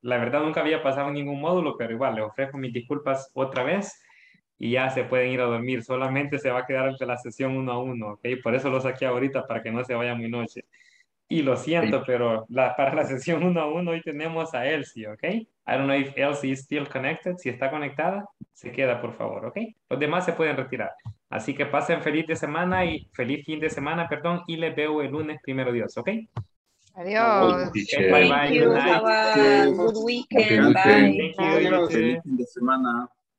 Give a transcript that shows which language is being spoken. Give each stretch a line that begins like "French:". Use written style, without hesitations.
Spanish: La verdad, nunca había pasado ningún módulo, pero igual, les ofrezco mis disculpas otra vez y ya se pueden ir a dormir. Solamente se va a quedar entre la sesión 1-1, ¿ok? Por eso lo saqué ahorita, para que no se vaya muy noche. Y lo siento, pero para la sesión 1-1 hoy tenemos a Elsie, ¿ok?
English: I don't know if Elsie is still connected.
Spanish: Si está conectada, se queda, por favor, ¿ok? Los demás se pueden retirar. Así que pasen feliz de semana y feliz fin de semana, perdón, y les veo el lunes, primero Dios, ¿ok? Adiós.
English: Thank you. Bye-bye. Good night. Good weekend. Bye. Thank you.
Spanish: Feliz fin de semana.